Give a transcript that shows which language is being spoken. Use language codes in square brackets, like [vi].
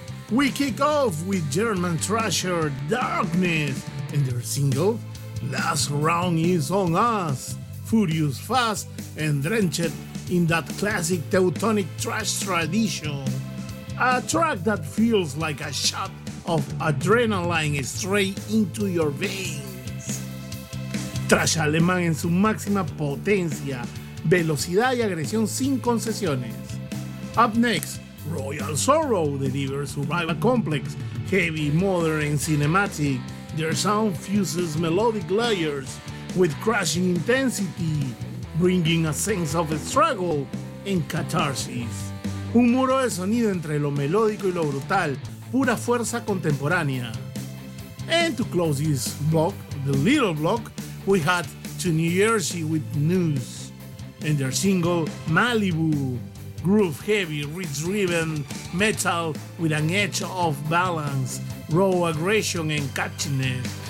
[en] We kick off with German thrasher Darkness and their single Last Round Is On Us, furious, fast, and drenched in that classic Teutonic thrash tradition. A track that feels like a shot of adrenaline straight into your veins. [es] Thrash alemán en su máxima potencia, velocidad y agresión sin concesiones. [en] Up next, Royal Sorrow delivers Survival Complex, heavy, modern, and cinematic. Their sound fuses melodic layers with crashing intensity, bringing a sense of struggle and catharsis. [es] Un muro de sonido entre lo melódico y lo brutal, pura fuerza contemporánea. [en] And to close this block, the little block, we had To New Jersey with News and their single Malibu. Groove heavy, ridge-driven metal with an edge of balance, raw aggression and catchiness.